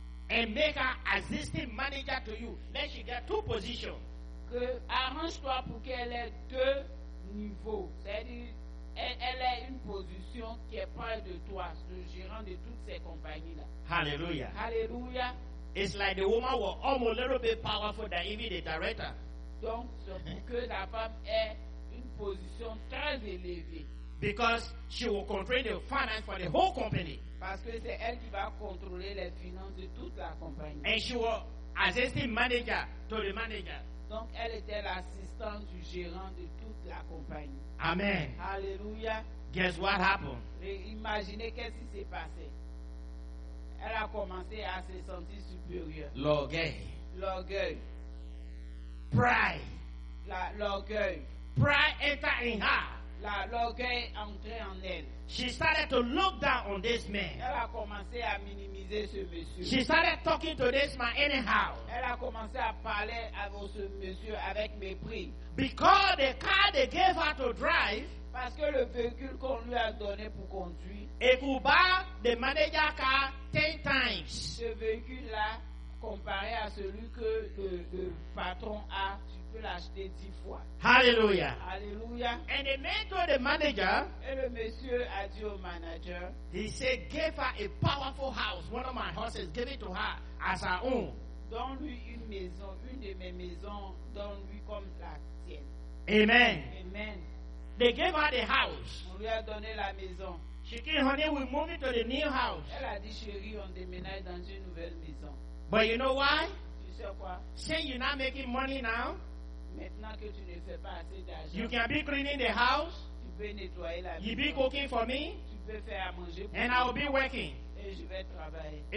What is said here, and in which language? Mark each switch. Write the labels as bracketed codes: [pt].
[en] And make her assistant manager to you. Then she get 2 positions. [fr] Que arrange-toi pour qu'elle ait 2 niveaux. C'est-à-dire, elle ait une position qui est près de toi, le gérant de toutes ces compagnies-là. [en] Hallelujah. Hallelujah. It's like the woman was almost a little bit powerful than even the director. [fr] Donc, c'est pour que la femme ait une position très élevée. [en] Because she will control the finance for the whole company. [fr] Parce que c'est elle qui va contrôler les finances de toute la compagnie. [en] And she was assistant manager to the manager. [fr] Donc elle était l'assistante du gérant de toute la compagnie. [en] Amen. Hallelujah. Guess what happened? [fr] Et imaginez qu'est-ce qui s'est passé. Elle a commencé à se sentir supérieure. L'orgueil. [en] Pride. Pride enter in her. [fr] L'orgueil est entré en elle. [en] She started to look down on this man. [fr] Elle a commencé à minimiser ce monsieur. [en] She started talking to this man anyhow. [fr] Elle a commencé à parler avec ce monsieur avec mépris. [en] Because the car they gave her to drive. [fr] Parce que le véhicule qu'on lui a donné pour conduire. Et pour battre le manager car [en] 10 times. [fr] Ce véhicule-là, comparé à celui que le patron a. L'acheter 10 fois. [en] Hallelujah. Hallelujah. And the man told the manager. [fr] Et le monsieur a dit au manager. [en] He said, "Give her a powerful house, one of my horses. Give it to her as her own." [fr] Donne-lui une maison, une de mes maisons. Donne-lui comme la tienne. [en] Amen. Amen. They gave her the house. [fr] On lui a donné la maison. [en] She said, "Honey, we move it to the new house." [fr] Elle a dit, "Chérie, on déménage dans une nouvelle maison." [en] But you know why? [fr] Tu sais quoi? [en] Say you're not making money now. [fr] Maintenant que tu ne fais pas assez d'argent, [en] you can be cleaning the house. [fr] Tu peux nettoyer la [en] you be cooking for me. [fr] Tu peux faire à manger pour [en] and [fr] toi. [en] I will be working. [fr] Et je vais travailler.